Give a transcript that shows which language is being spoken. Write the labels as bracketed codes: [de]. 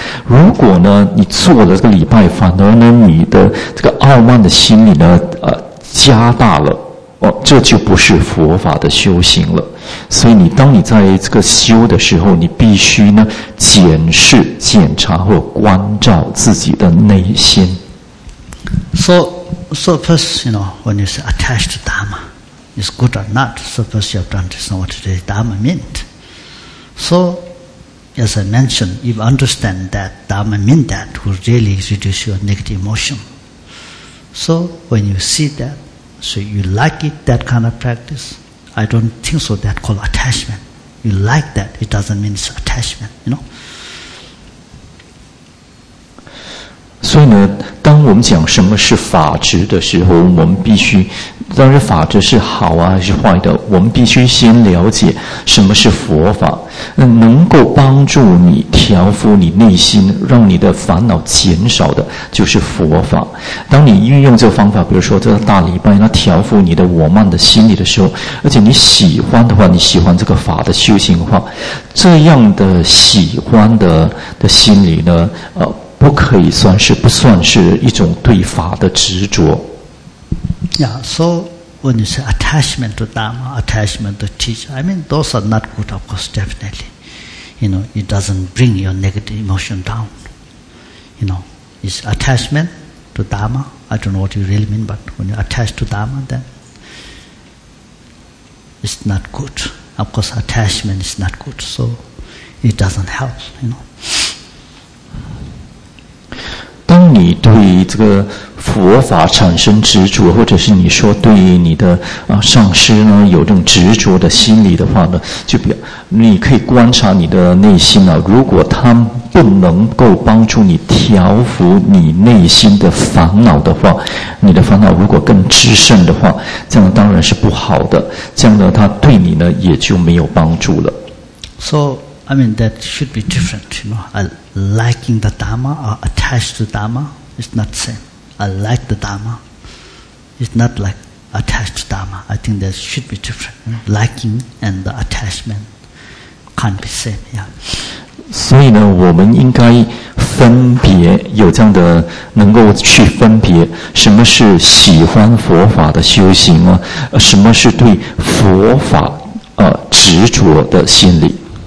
[zh] 如果呢，你做了这个礼拜，反而呢，你的这个傲慢的心理呢，加大了。哦，这就不是佛法的修行了。所以你当你在这个修的时候，你必须呢检视、检查或关照自己的内心。 [en] So first, you know, when you say attached to Dhamma, is good or not? So first, you have to understand what the Dhamma meant. So, as I mentioned, if understand that Dhamma mean that, will really reduce your negative emotion. So when you see that. So you like it, that kind of practice? I don't think so, that called attachment. You like that, it doesn't mean it's attachment, you know? [zh] 所以呢，当我们讲什么是法执的时候，我们必须，当然法执是好啊，还是坏的，我们必须先了解什么是佛法，能够帮助你调伏你内心，让你的烦恼减少的就是佛法。当你运用这个方法，比如说这个大礼拜，那调伏你的我慢的心理的时候，而且你喜欢的话，你喜欢这个法的修行的话，这样的喜欢的心理呢，不可以算是，不算是一种对法的执着。 [en] Yeah, so when you say attachment to Dhamma, attachment to teacher, I mean those are not good, of course, definitely. You know, it doesn't bring your negative emotion down. You know, it's attachment to Dhamma. I don't know what you really mean, but when you attach to Dhamma, then it's not good. Of course, attachment is not good, so it doesn't help, you know. [zh] 当你对这个佛法产生执着，或者是你说对你的上师呢有这种执着的心理的话呢，就比你可以观察你的内心啊，如果他不能够帮助你调伏你内心的烦恼的话，你的烦恼如果更炽盛的话，这样当然是不好的，这样呢他对你呢也就没有帮助了。 [en] So I mean that should be different, you know, liking the Dhamma or attached to Dhamma is not the same. I like the Dhamma, it's not like attached to Dhamma. I think that should be different. You know? Liking and the attachment can't be same, yeah. [zh] 所以呢，我们应该分别有这样的能够去分别什么是喜欢佛法的修行啊，什么是对佛法执着的心理。